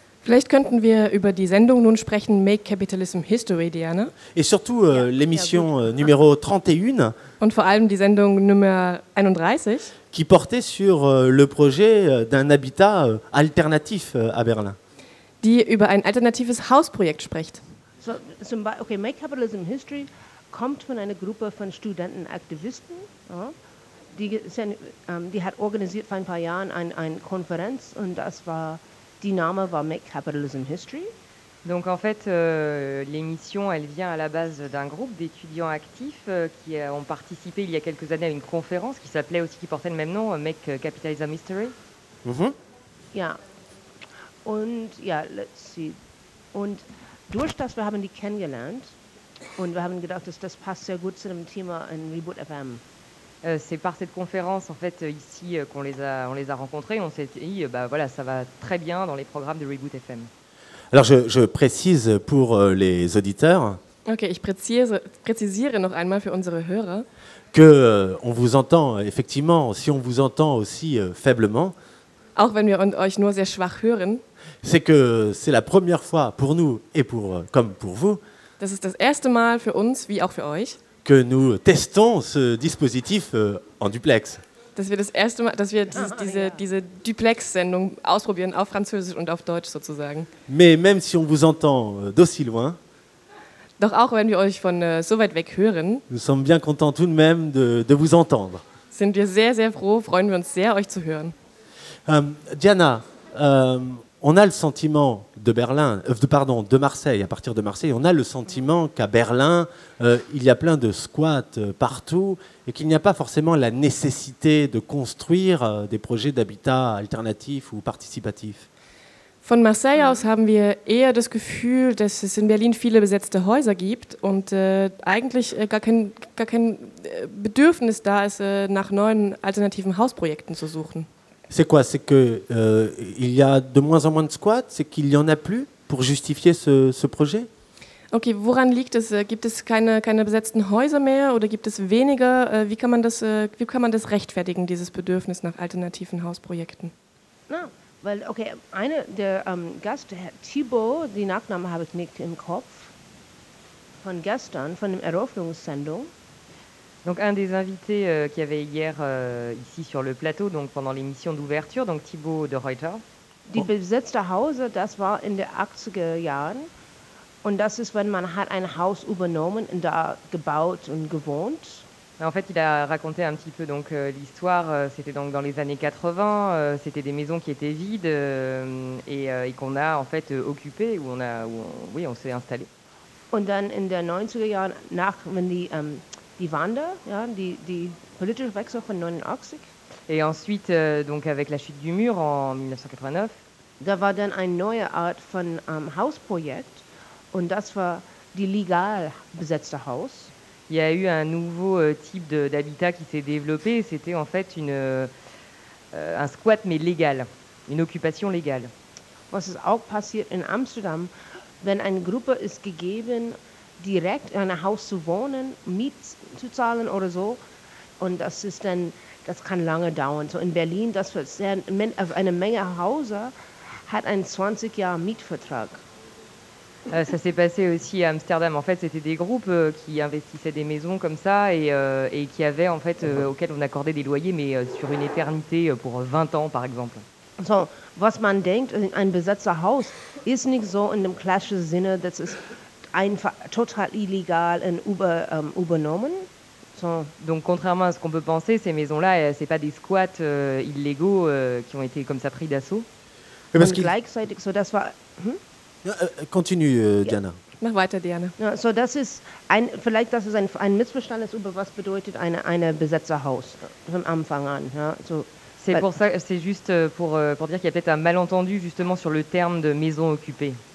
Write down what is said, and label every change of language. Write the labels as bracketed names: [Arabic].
[German] Vielleicht könnten wir über die Sendung nun sprechen, Make Capitalism History, Diana. [French] Et surtout l'émission numéro 31. [German] Und vor allem die Sendung Nummer 31. [French] Qui portait sur le projet d'un habitat alternatif à Berlin. [German] Die über ein alternatives Hausprojekt spricht. Okay, Make Capitalism History kommt von einer Gruppe von Studentenaktivisten. Ja, die hat organisiert vor ein paar Jahren eine Konferenz, und das war... Die Name war Make Capitalism History. [French] Donc en fait, l'émission, elle vient à la base d'un groupe d'étudiants actifs qui ont participé il y a quelques années à une conférence qui s'appelait aussi, qui portait le même nom, Make Capitalism History. Mm-hmm. [German] Ja. Und ja, [English] let's see. [German] Und durch das, wir haben die kennengelernt und wir haben gedacht, dass das passt sehr gut zu dem Thema in Reboot FM. [French] C'est par cette conférence, en fait, ici, qu'on les a rencontrés. On s'est dit, voilà, ça va très bien dans les programmes de Reboot FM. Alors, je précise pour les auditeurs. [German] Ok, ich präzisiere noch einmal für unsere Hörer. [French] Que on vous entend, effectivement, si on vous entend aussi faiblement. [German] Auch wenn wir euch nur sehr schwach hören. [French] C'est que c'est la première fois pour nous et comme pour vous. [German] Das ist das erste Mal für uns, wie auch für euch. [French] Que nous testons ce dispositif en duplex. [German] Dass wir das erste Mal, dass wir diese Duplex-Sendung ausprobieren, auf Französisch und auf Deutsch sozusagen. [French] Mais même si on vous entend d'aussi loin. [German] Doch auch wenn wir euch von so weit weg hören. [French] Nous sommes bien contents tout de même de vous entendre. [German] Sind wir sehr sehr froh, freuen wir uns sehr euch zu hören. [French] Diana, on a le sentiment de Berlin, de Marseille, à partir de Marseille, on a le sentiment qu'à Berlin, il y a plein de squats partout et qu'il n'y a pas forcément la nécessité de construire des projets d'habitat alternatif ou participatif. [German] Von Marseille aus haben wir eher das Gefühl, dass es in Berlin viele besetzte Häuser gibt und eigentlich gar kein Bedürfnis da ist, nach neuen alternativen Hausprojekten zu suchen. [French] C'est quoi? C'est qu'il y a de moins en moins de squats? C'est qu'il n'y en a plus pour justifier ce projet? [German] Ok, woran liegt es? Gibt es keine besetzten Häuser mehr oder gibt es weniger? Wie kann man das rechtfertigen, dieses Bedürfnis nach alternativen Hausprojekten? Na, weil, okay, einer der Gäste, Herr Thibault, die Nachnamen habe ich nicht im Kopf, von gestern, von der Eröffnungssendung, [French] Donc un des invités qu'il y avait hier ici sur le plateau, donc pendant l'émission d'ouverture, donc Thibaut de Reuter. [German] Die besetzte Hause, das war in den 80er Jahren. Und das ist, wenn man hat ein Haus übernommen und da gebaut und gewohnt. [French] En fait, il a raconté un petit peu donc l'histoire. C'était donc dans les années 80. C'était des maisons qui étaient vides et qu'on a en fait occupées où on a, où on, oui, on s'est installé. [German] Und dann in der 90er Jahren nach wenn die die Wende, ja, die politische Wechsel von 89. [French] Et ensuite donc avec la chute du mur en 1989. [German] Da war dann eine neue Art von Hausprojekt und das war die legal besetzte Haus. [French] Il y a eu un nouveau type d'habitat qui s'est développé. C'était en fait un squat, mais légal, une occupation légale. [German] Was ist auch passiert in Amsterdam, wenn eine Gruppe ist gegeben, direkt in ein Haus zu wohnen, Miet zu zahlen oder so, und das ist dann, das kann lange dauern. So in Berlin, das wird sehr, eine Menge Häuser hat einen 20 Jahre Mietvertrag. [French] Ça s'est passé aussi à Amsterdam. En fait, c'était des groupes qui investissaient des maisons comme ça et qui avaient en fait auxquels on accordait des loyers, mais sur une éternité pour 20 ans, par exemple. [German] So, was man denkt, ein besetzter Haus ist nicht so in dem klassischen Sinne, das ist einfach total illegal und übernommen. So. [French] Donc, contrairement à ce qu'on peut penser, ces maisons-là, c'est pas des squats illégaux qui ont été comme ça pris d'assaut. Parce que [German] gleichzeitig, so das war. [French] Continue, Diana. [German] Mach weiter, Diana. Ja, so, das ist ein, vielleicht das ist ein Missverständnis über was bedeutet eine Besetzerhaus von Anfang an. Ja, so. [French] C'est pour ça, c'est juste pour dire qu'il y a peut-être un malentendu justement sur le terme de maison occupée.